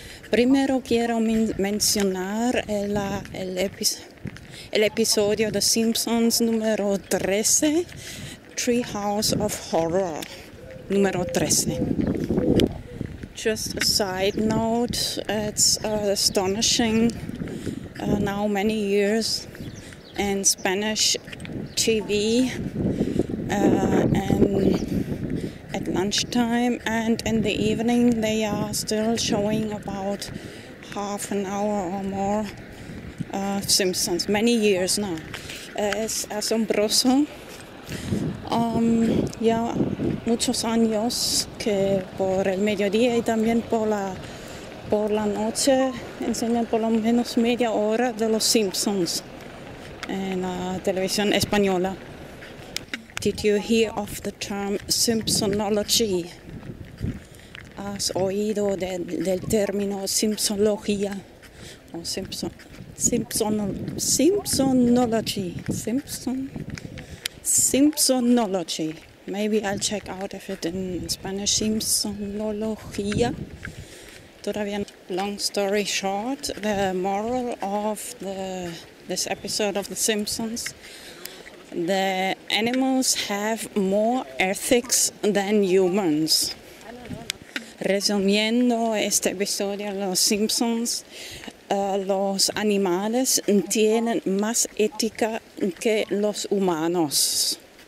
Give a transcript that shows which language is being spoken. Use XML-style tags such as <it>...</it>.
<es>Primero quiero mencionar el episodio de Simpsons número 13, Treehouse of Horror. numero 13.</es> <en>Just a side note, it's astonishing now many years in Spanish TV and at lunchtime and in the evening they are still showing about half an hour or more Simpsons, many years now.</en> <es>Es asombroso. Ya muchos años que por el mediodía y también por la noche enseñan por lo menos media hora de los Simpsons en la televisión española.</es> <en>Did you hear of the term Simpsonology?</en> <es>¿Has oído del término Simpsonología? O Simpsonology.</es> <en>Maybe I'll check out if it in Spanish. Simpsonología.</en> <es>Todavía.</es> <en>Long story short, the moral of this episode of The Simpsons: the animals have more ethics than humans.</en> <es>Resumiendo este episodio de Los Simpsons, los animales tienen más ética que los humanos.</es>